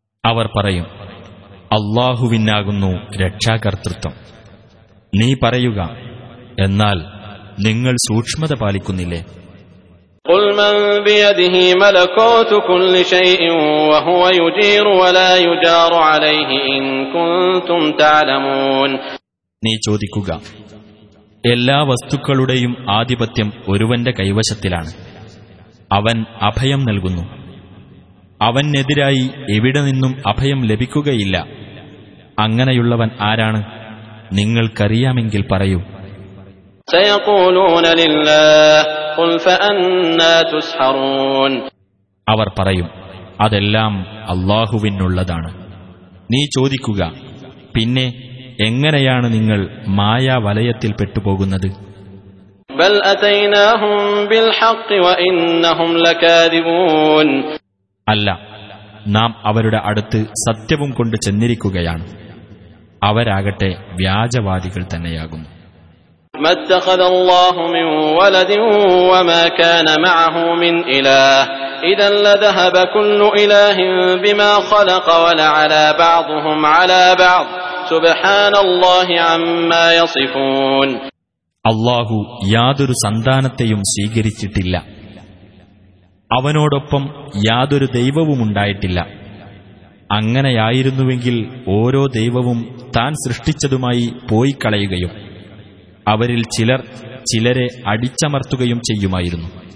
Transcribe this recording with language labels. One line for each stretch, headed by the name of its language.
Malayalam: അവർ പറയും, അല്ലാഹുവിനാകുന്നു രക്ഷാകർത്തൃത്വം. നീ പറയുക, എന്നാൽ നിങ്ങൾ സൂക്ഷ്മത പാലിക്കുന്നില്ലേ?
Arabic: قل من بيده ملكوت كل شيء وهو يجير ولا يجار عليه ان كنتم تعلمون.
Malayalam: നീ ചോദിക്കുക, എല്ലാ വസ്തുക്കളുടെയും ആധിപത്യം ഒരുവന്റെ കൈവശത്തിലാണ്. അവൻ അഭയം നൽകുന്നു. അവനെതിരായി എവിടെ നിന്നും അഭയം ലഭിക്കുകയില്ല. അങ്ങനെയുള്ളവൻ ആരാണ്? നിങ്ങൾക്കറിയാമെങ്കിൽ പറയൂ.
Arabic: سيقولون لله قل فأنا تسحرون.
Malayalam: അവർ പറയും, അതെല്ലാം അല്ലാഹുവിനുള്ളതാണ്. നീ ചോദിക്കുക, പിന്നെ എങ്ങനെയാണ് നിങ്ങൾ മായാ വലയത്തിൽ പെട്ടുപോകുന്നത്?
Arabic: بل أتيناهم بالحق وإنهم لكاذبون.
Malayalam: അല്ല, നാം അവരുടെ അടുത്ത് സത്യവും കൊണ്ട് ചെന്നിരിക്കുകയാണ്. അവരാകട്ടെ വ്യാജവാദികൾ തന്നെയാകുന്നു.
Arabic: ما اتخذ الله من ولد وما كان معه من اله اذا لذهب كل اله بما خلق ولعلى بعضهم على بعض سبحان الله عما يصفون.
Malayalam: الله യാതൊരു സന്താനത്തെയും സ്വീകരിച്ചിട്ടില്ല. അവനോടൊപ്പം യാതൊരു ദൈവവും ഉണ്ടായിട്ടില്ല. അങ്ങനെയായിരുന്നുവെങ്കിൽ ഓരോ ദൈവവും താൻ സൃഷ്ടിച്ചതുമായി പോയി കളയുകയും അവരിൽ ചിലർ ചിലരെ അടിച്ചമർത്തുകയും ചെയ്യുമായിരുന്നു.